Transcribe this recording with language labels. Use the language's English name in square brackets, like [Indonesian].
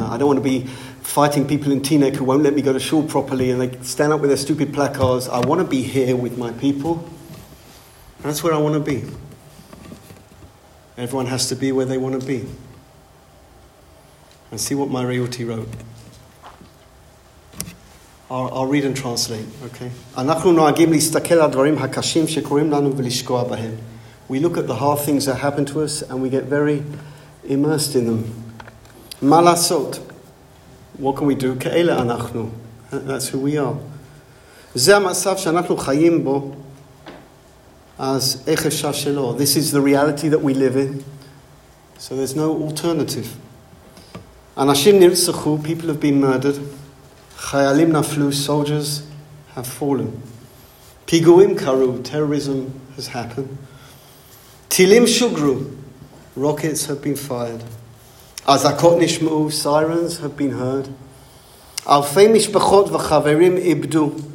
[English] I don't want to be fighting people in Teaneck who won't let me go to shul properly and they stand up with their stupid placards. I want to be here with my people. That's where I want to be. Everyone has to be where they want to be. And see what my realty wrote. I'll read and translate, okay? [Hebrew] אנחנו נוהגים להסתכל על דברים הקשים שקורים לנו ולשקוע בהם. [English] We look at the hard things that happen to us and we get very immersed in them. [Hebrew] מה לעשות? [English] What can we do? [Hebrew] כאלה אנחנו. [English] That's who we are. [Hebrew] זה המצב שאנחנו חיים בו. אז איך אפשר שלא? [English] This is the reality that we live in. So there's no alternative. [Hebrew] אנשים נרצחו, [English] people have been murdered. [Hebrew] חיילים נפלו, [English] soldiers have fallen. [Hebrew] פיגועים קרו, [English] terrorism has happened. [Hebrew] טילים שוגרו, [English] rockets have been fired. [Hebrew] אזעקות נשמעו, [English] sirens have been heard. [Hebrew] אלפי משפחות וחברים איבדו.